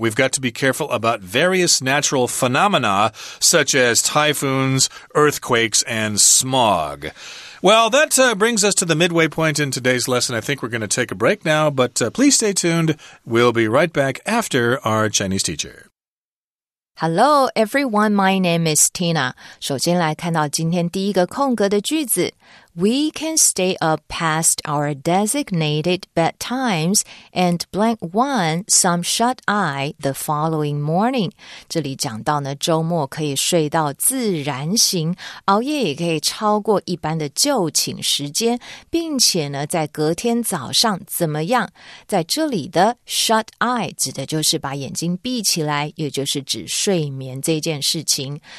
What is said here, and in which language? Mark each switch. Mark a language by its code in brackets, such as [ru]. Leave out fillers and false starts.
[en] We've got to be careful about various natural phenomena such as typhoons, earthquakes, and smog. Well, that brings us to the midway point in today's lesson. I think we're going to take a break now, but please stay tuned. We'll be right back after our Chinese teacher. Hello, everyone. My name is Tina. [zh] 首先来看到今天第一个空格的句子。 [en] We can stay up past our designated bedtimes and blank one some shut eye the following morning. [zh] 这里讲到呢，周末可以睡到自然醒，熬夜也可以超过一般的就寝时间，并且呢，在隔天早上怎么样？在这里的 shut eye 指的就是把眼睛闭起来，也就是指睡眠这件事情。